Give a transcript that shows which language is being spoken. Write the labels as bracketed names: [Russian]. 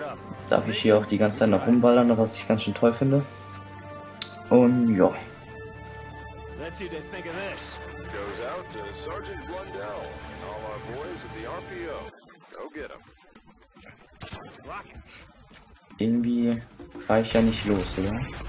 [German] Jetzt darf ich hier auch die ganze Zeit noch rumballern, was ich ganz schön toll finde. Und ja. [English] Let's see what they think of this. Goes out to Sergeant Blundell and all our boys at the RPO. Go get him. [German] Irgendwie fahre ich ja nicht los, oder?